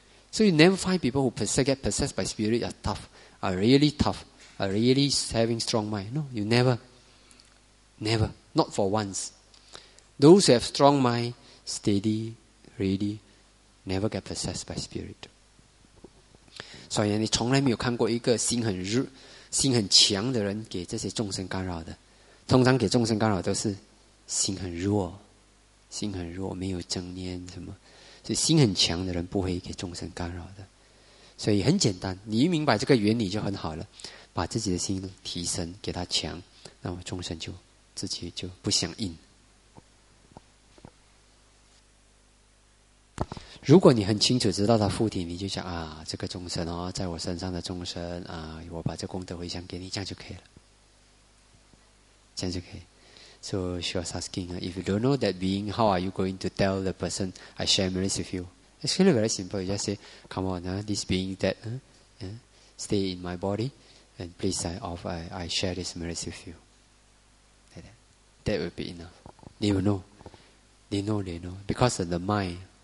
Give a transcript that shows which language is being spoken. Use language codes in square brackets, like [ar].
[en] So you never find people who get possessed by spirit are tough, are really tough, are really having strong mind. No, you never. Never. Not for once. Those who have strong mind, steady, ready, never get possessed by spirit. [zh] 所以你从来没有看过一个心很热、心很强的人给这些众生干扰的。通常给众生干扰都是心很弱，心很弱，没有正念什么。所以心很强的人不会给众生干扰的。所以很简单，你一明白这个原理就很好了，把自己的心提升，给他强，那么众生就自己就不想应。如果你很清楚知道他附体，你就想啊，这个众生哦，在我身上的众生啊，我把这功德回向给你，这样就可以了。这样就可以。 [en] So she was asking, if you don't know that being, how are you going to tell the person, I share merits with you? It's really very simple. You just say, come on, this being that, stay in my body, and please, I share this merits with you. Like that. That would be enough. They will know. They know. Because of the mind.